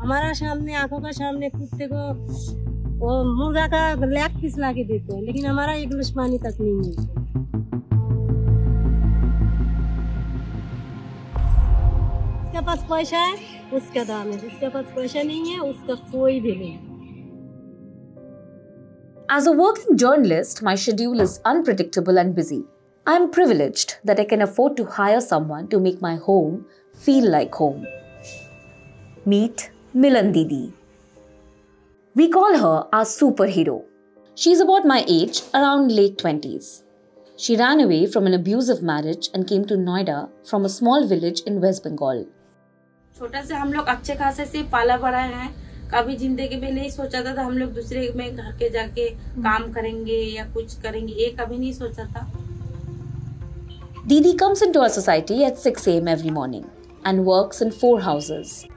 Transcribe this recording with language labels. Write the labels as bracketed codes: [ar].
[hi] हमारा सामने आंखों का सामने कुत्ते को वो मुर्गा का लैक किस ला के देते हैं, लेकिन हमारा एक दुश्मनी तक नहीं है। उसके पास पैसा है उसका दाम है, जिसके पास पैसा नहीं है उसका कोई भी नहीं। [en] As a working journalist, my schedule is unpredictable and busy. I am privileged that I can afford to hire someone to make my home feel like home. Meet Milan Didi. We call her our superhero. She is about my age, around late 20s. She ran away from an abusive marriage and came to Noida from a small village in West Bengal. [hi] छोटा से हम लोग अच्छे खासे से पाला बड़ा हैं। कभी जिंदगी में नहीं सोचा था हम लोग दूसरे में घर के जाके काम करेंगे या कुछ करेंगे, ये कभी नहीं सोचा था। [en] दीदी comes in to our society at 6 AM every morning and works in 4 houses।